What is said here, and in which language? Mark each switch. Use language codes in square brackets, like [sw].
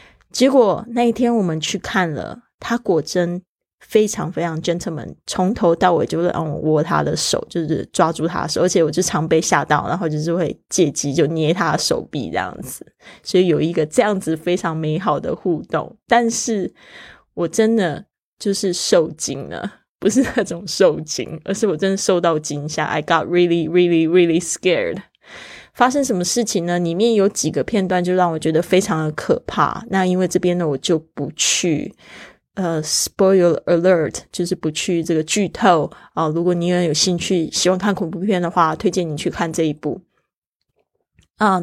[zh] 结果那一天我们去看了，他果真非常非常 gentleman， 从头到尾就是让我握他的手，就是抓住他的手，而且我就常被吓到，然后就是会借机就捏他的手臂这样子，所以有一个这样子非常美好的互动。但是我真的就是受惊了，不是那种受惊，而是我真的受到惊吓。 [en] I got really really really scared。 [zh] 发生什么事情呢？里面有几个片段就让我觉得非常的可怕。那因为这边呢，我就不去 [en] spoiler alert， [zh] 就是不去这个剧透啊。如果你也有兴趣喜欢看恐怖片的话，推荐你去看这一部啊。